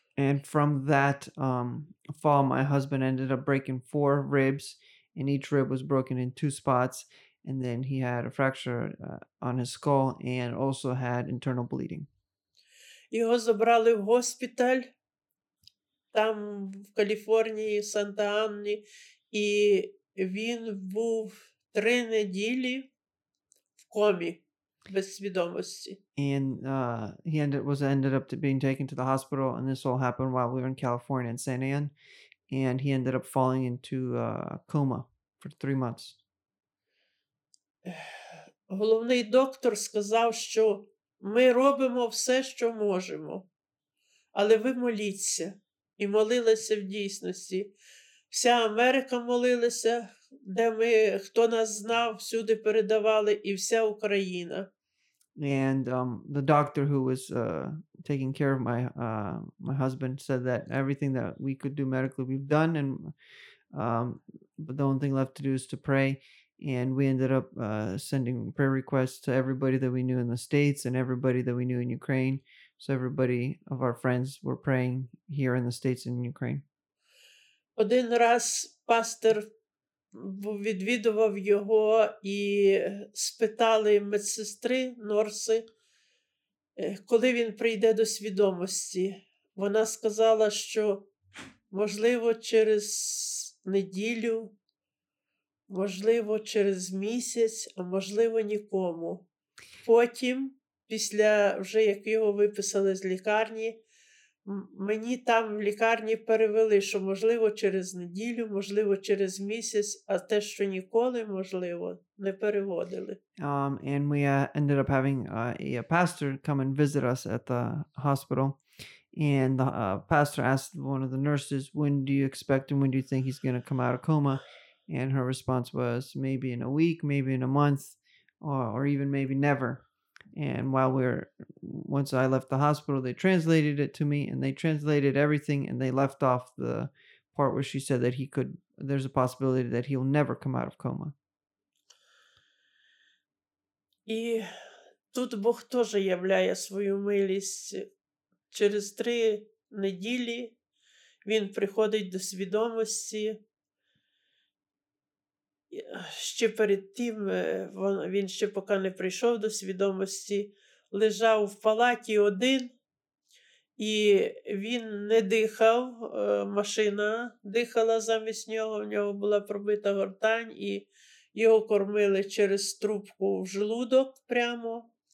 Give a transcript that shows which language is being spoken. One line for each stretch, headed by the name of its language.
English: And from that fall, my husband ended up breaking 4 ribs, and each rib was broken in 2 spots, and then he had a fracture on his skull and also had internal bleeding.
Ukrainian: Його забрали в госпіталь там в Каліфорнії, Санта-Анні, і він був 3 неділі в комі без свідомості.
English: And he ended up being taken to the hospital, and this all happened while we were in California in Santa Ana, and he ended up falling into a coma for 3 months.
Ukrainian: Головний доктор сказав, що ми робимо все, що можемо, але ви моліться. І молилися в дійсності. Вся Америка молилася, де ми, хто нас знав, всюди передавали, і вся Україна.
English: And the doctor who was taking care of my my husband said that everything that we could do medically, we've done, and but the only thing left to do is to pray. And we ended up sending prayer requests to everybody that we knew in the States and everybody that we knew in Ukraine. So everybody of our friends were praying here in the States and in Ukraine.
Ukrainian: Один раз пастор відвідував його і спитали медсестри, норси, коли він прийде до свідомості. Вона сказала, що можливо через неділю, можливо, через місяць, а можливо, нікому. Потім, після вже як його виписали з лікарні, мені там в лікарні перевели, що можливо через неділю, можливо через місяць, а те, що ніколи, можливо, не переводили.
English: And we ended up having a pastor come and visit us at the hospital. And the pastor asked one of the nurses, when do you expect him, when do you think he's going to come out of coma? And her response was, maybe in a week, maybe in a month, or even maybe never. And while once I left the hospital, they translated it to me, and they translated everything, and they left off the part where she said that there's a possibility that he'll never come out of coma.
Ukrainian: І тут Бог теж являє свою милість. Через 3 неділі він приходить до свідомості. Ще перед тим, він ще поки не прийшов до свідомості, лежав в палаті один, і він не дихав, машина дихала замість нього, в нього була пробита гортань, і його кормили через трубку в желудок прямо.